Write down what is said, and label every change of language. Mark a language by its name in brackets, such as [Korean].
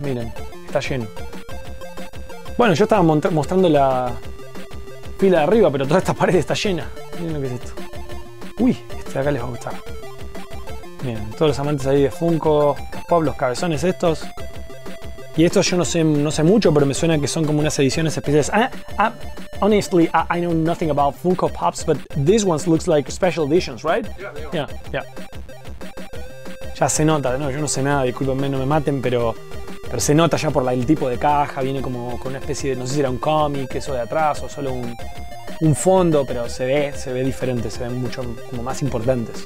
[Spanish] Miren, está lleno. Bueno, yo estaba mostrando la pila de arriba, pero toda esta pared está llena. Miren lo que es esto. Uy, este de acá les va a gustar. Bien, todos los amantes ahí de Funko, los Pop, los cabezones estos. Y estos yo no sé mucho, pero me suena que son como unas ediciones especiales. [English] Honestly, I know nothing about Funko Pops, but these ones looks like special editions, right? Yeah. [Spanish] Ya se nota, no, yo no sé nada, discúlpenme, no me maten, pero se nota ya por el tipo de caja, viene como con una especie de, no sé si era un cómic, eso de atrás, o solo un fondo, pero se ve diferente, se ven mucho como más importantes.